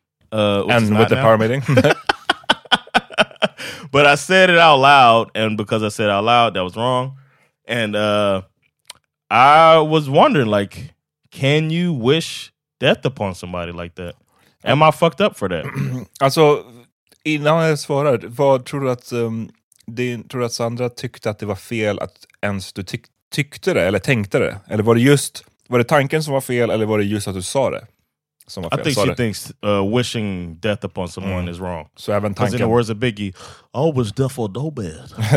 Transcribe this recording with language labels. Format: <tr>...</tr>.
<en>And with the power meeting. But I said it out loud. And because I said it out loud, that was wrong. And I was wondering, like, can you wish death upon somebody like that? Am I fucked up for that?</en> <sv>Alltså, innan jag svarade, vad tror du att tror du att Sandra tyckte att det var fel att ens du tyckte det, eller tänkte det? Eller var det tanken som var fel, eller var det just att du sa det?</sv> <en>Som I think she thinks wishing death upon someone is wrong.</en> <sv>Så även tanken.</sv> <en>Because in the words of Biggie, I was death or no bad.</en>